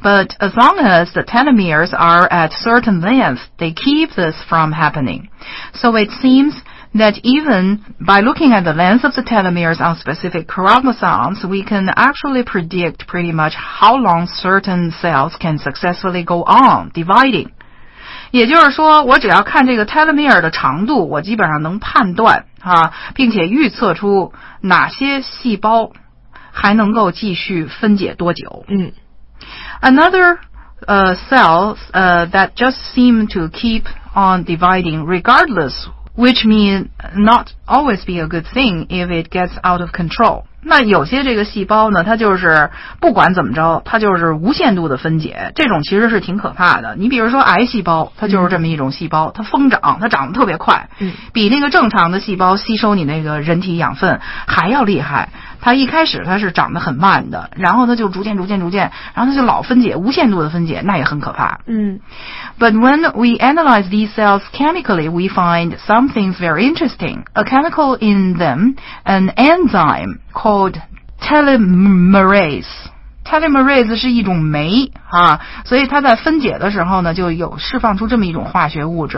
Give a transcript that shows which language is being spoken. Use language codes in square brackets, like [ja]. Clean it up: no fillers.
[en] But as long as the telomeres are at certain length they keep this from happening So it seems that even by looking at the length of the telomeres on specific chromosomes we can actually predict pretty much how long certain cells can successfully go on dividing [zh] 也就是说我只要看这个 telomere 的长度我基本上能判断、啊、并且预测出哪些细胞还能够继续分解多久、嗯、 [en] Another cells that just seem to keep on dividing regardless which may not always be a good thing if it gets out of control [zh] 那有些这个细胞呢它就是不管怎么着它就是无限度的分解这种其实是挺可怕的你比如说癌细胞它就是这么一种细胞、嗯、它疯长它长得特别快、嗯、比那个正常的细胞吸收你那个人体养分还要厉害它一开始它是长得很慢的然后它就逐渐然后它就老分解无限度的分解那也很可怕嗯 [en] But when we analyze these cells chemically we find some things very interesting A chemical in them an enzyme called telomerase Telomerase [zh] 是一种酶啊，所以它在分解的时候呢就有释放出这么一种化学物质、